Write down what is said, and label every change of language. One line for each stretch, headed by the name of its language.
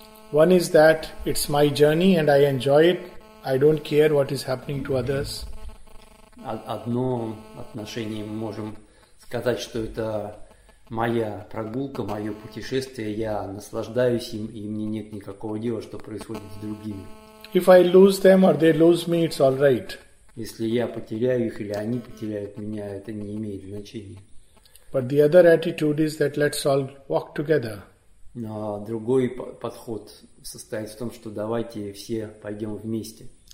English: One is that it's my journey and I enjoy it. I don't care what is happening to others.
Russian: Одно отношение мы можем сказать, что это моя прогулка, мое путешествие, я наслаждаюсь им, и мне нет никакого дела, что происходит с другими.
English: If I lose them or they lose me, it's all right.
Russian: Если я потеряю их или они потеряют меня, это не имеет значения.
English: But the other attitude is that let's all walk together.
Russian: Но другой подход состоит в том, что давайте все пойдем вместе.